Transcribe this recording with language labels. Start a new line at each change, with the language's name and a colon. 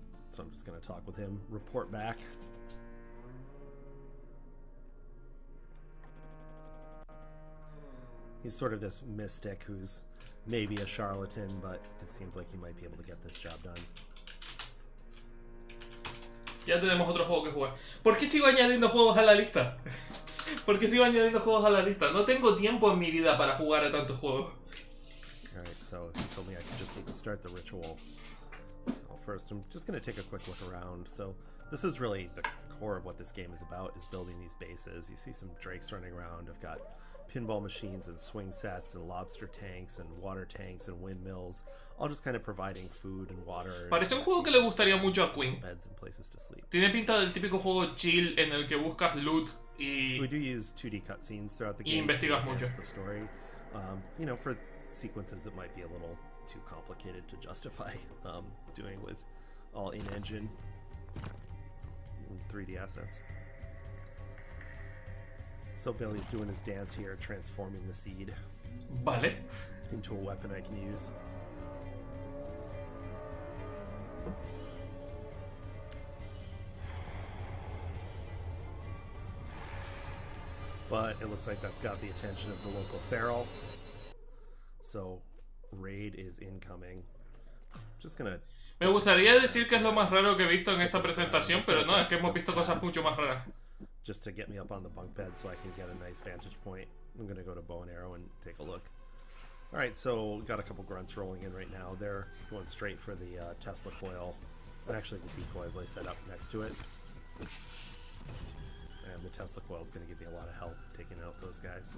English: So I'm just going to talk with him, report back. He's sort of this mystic who's maybe a charlatan, but it seems like he might be able to get this job done.
Spanish: Ya tenemos otro juego que jugar. ¿Por qué sigo añadiendo juegos a la lista? ¿Por qué sigo añadiendo juegos a la lista? No tengo tiempo en mi vida para jugar a tantos juegos.
English: Alright, so he told me I could just need to start the ritual. So first, I'm just going to take a quick look around. So this is really the core of what this game is about, is building these bases. You see some drakes running around. I've got pinball machines and swing sets and lobster tanks and water tanks and windmills. All just kind of providing food and water.
Spanish: Parece un juego que le gustaría mucho a Queen.
English: Beds and places to sleep.
Spanish: Tiene pinta del típico juego chill en el que buscas loot y...
English: So we do use 2D cutscenes throughout the game.
Spanish: Y investigas mucho.
English: The story. You know, for sequences that might be a little too complicated to justify doing with all in-engine 3D assets. So Billy's doing his dance here, transforming the seed.
Spanish: Vale.
English: Into a weapon I can use. But it looks like that's got the attention of the local feral. So, raid is incoming. Just gonna.
Spanish: Me gustaría decir que es lo más raro que he visto en esta presentación, pero no, es que hemos visto cosas mucho más raras.
English: Just to get me up on the bunk bed so I can get a nice vantage point. I'm gonna go to bow and arrow and take a look. All right, so got a couple grunts rolling in right now. They're going straight for the Tesla coil. Actually, the decoy is like set up next to it. And the Tesla coil is gonna give me a lot of help taking out those guys.